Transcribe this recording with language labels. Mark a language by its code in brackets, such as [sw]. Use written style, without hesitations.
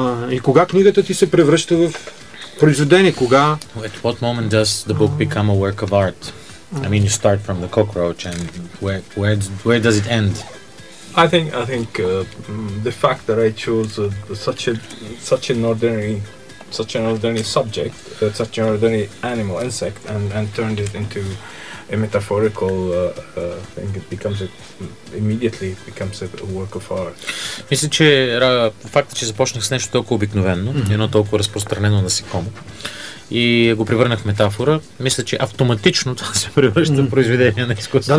[bg] И кога книгата ти се превръща в произведение? Кога? [en] At what moment does the book become a work of art? I mean, you start from the cockroach and where does it end? I think the fact that I chose such an ordinary subject, such an ordinary animal, insect, and turned it into a metaphorical thing, it immediately becomes a work of art. [bg] Мисля, че фактът, че започнах с нещо толкова обикновено, едно толкова разпространено насекомо, и го превърнах в метафора, мисля, че автоматично това се превръща в произведение на изкуството.